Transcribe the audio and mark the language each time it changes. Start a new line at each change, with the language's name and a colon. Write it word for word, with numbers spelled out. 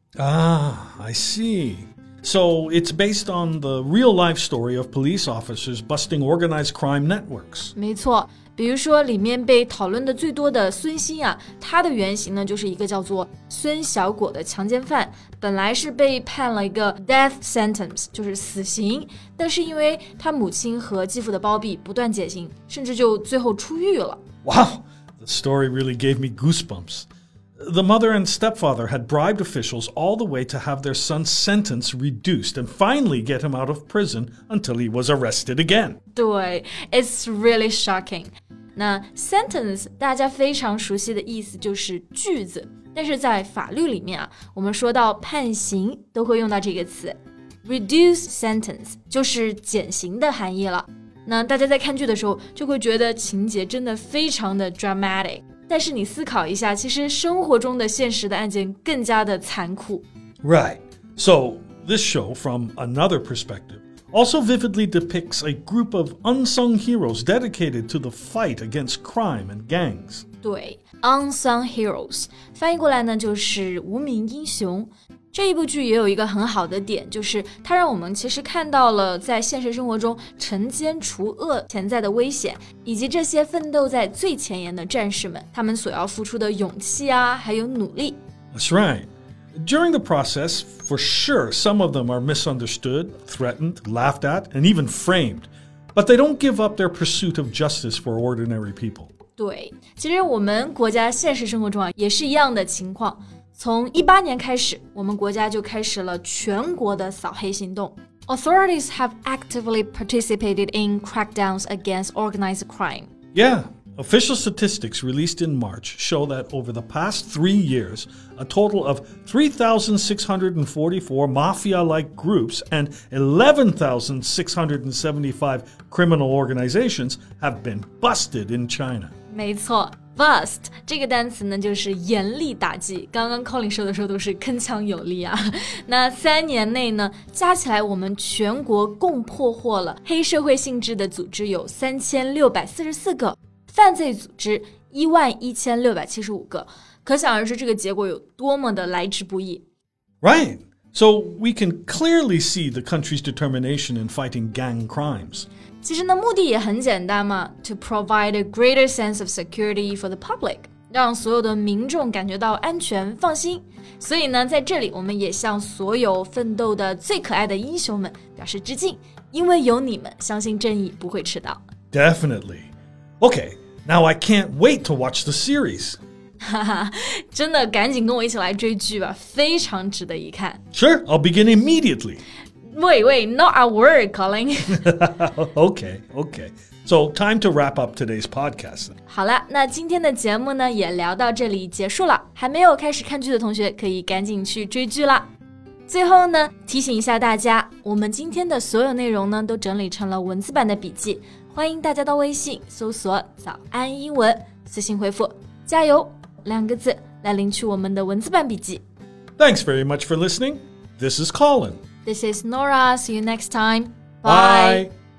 English: Ah, I see. So it's based on the real life story of police officers busting organized crime networks.
Chinese: 没错，比如说里面被讨论的最多的孙鑫啊，他的原型呢就是一个叫做孙小果的强奸犯，本来是被判了一个 death sentence， 就是死刑，但是因为他母亲和继父的包庇不断减刑，甚至就最后出狱了。
English: Wow, the story really gave me goosebumps. The mother and stepfather had bribed officials all the way to have their son's sentence reduced and finally get him out of prison until he was arrested again.
Chinese: 对
English: it's really shocking.
Chinese: 那 sentence 大家非常熟悉的意思就是句子，但是在法律里面啊，我们说到判刑都会用到这个词 reduce sentence 就是减刑的含义了。那大家在看剧的时候就会觉得情节真的非常的 dramatic。但是你思考一下，其实生活中的现实的案件更加的残酷。
English: Right. So, this show, from another perspective, also vividly depicts a group of unsung heroes dedicated to the fight against crime and gangs.
Chinese: 对 unsung heroes 翻译过来呢就是无名英雄。这一部剧也有一个很好的点，就是它让我们其实看到了在现实生活中惩奸除恶潜在的危险，以及这些奋斗在最前沿的战士们，他们所要付出的勇气啊，还有努力。
English: That's right. During the process, for sure, some of them are misunderstood, threatened, laughed at, and even framed. But they don't give up their pursuit of justice for ordinary people.
Chinese: 对，其实我们国家现实生活中啊，也是一样的情况。从eighteen年开始，我们国家就开始了全国的扫黑行动。
English: Authorities have actively participated in crackdowns against organized crime. Yeah, official statistics released in March show that over the past three years, a total of three thousand six hundred forty-four mafia-like groups and eleven thousand six hundred seventy-five criminal organizations have been busted in China.
Chinese: 没错。 Bust 这个单词呢就是严厉打击，刚刚 Colin 说的时候都是铿锵有力啊。那三年内呢，加起来我们全国共破获了黑社会性质的组织有三千六百四十四个，犯罪组织一万一千六百七十五个，可想而知这个结果有多么的来之不易。
English: Right, so we can clearly see the country's determination in fighting gang crimes.
Chinese: 其实呢，目的也很简单嘛 ，
English: to provide a greater sense of security for the public，
Chinese: 让所有的民众感觉到安全放心。所以呢，在这里我们也向所有奋斗的最可爱的英雄们表示致敬，因为有你们，相信正义不会迟到。
English: Definitely. Okay, now I can't wait to watch the series.
Chinese: 哈哈，真的，赶紧跟我一起来追剧吧，非常值得一看。
English: Sure, I'll begin immediately. Wait, wait, not a word, Colin. Okay, okay. So, time to wrap up today's podcast.
Chinese: 好了，那今天的节目呢也聊到这里结束了。还没有开始看剧的同学可以赶紧去追剧了。最后呢，提醒一下大家，我们今天的所有内容呢都整理成了文字版的笔记，欢迎大家到微信搜索早安英文，私信回复加油两个字来领取我们的文字版笔记。
English: Thanks very much for listening. This is Colin. This is Nora. See you next time. Bye. Bye.